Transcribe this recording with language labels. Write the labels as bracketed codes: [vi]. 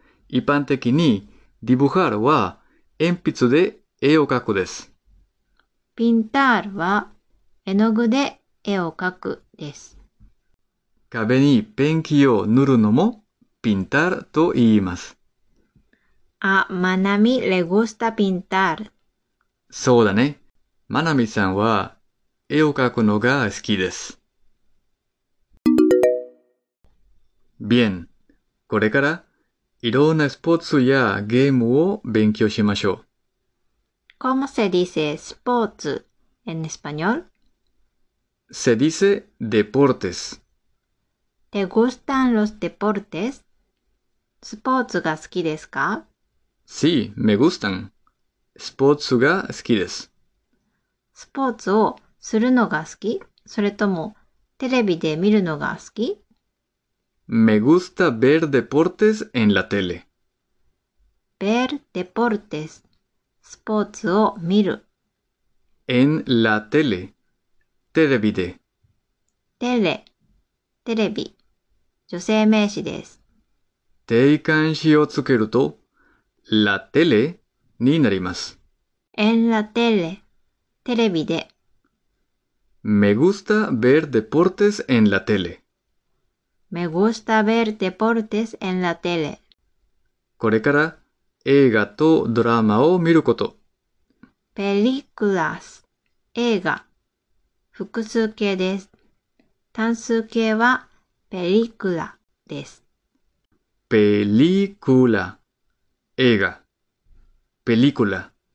[ja] 一般的に、dibujar は鉛筆で絵を描くです。 Pintar は絵の具で絵を描くです。壁にペンキを塗るのも pintar と言います。 [es] A Manami le gusta pintar. [ja] そうだね。マナミさんは絵を描くのが好きです。 [es] Bien。 [ja] これからいろんなスポーツやゲームを勉強しましょう。 [es] ¿Cómo se dice sports en español? Se dice deportes. ¿Te gustan los deportes? [ja] ¿スポーツが好きですか？ [es] Sí, me gustan. [ja] スポーツが好きです。スポーツをするのが好き？それともテレビで見るのが好き？ [es] Me gusta ver deportes en la tele. Ver deportes [ja] スポーツを見る。 [es] En la tele. [ja] テレビで。テレ、テレビ。女性名詞です。定冠詞をつけると、la tele になります。 En la tele. テレビで。 [es] Me gusta ver deportes en la tele. Me gusta ver deportes en la tele. [ja] これから映画とドラマを見ること。 Películas. 映画。複数形です。単数形は Película です。 [es] Película. 映画。Película。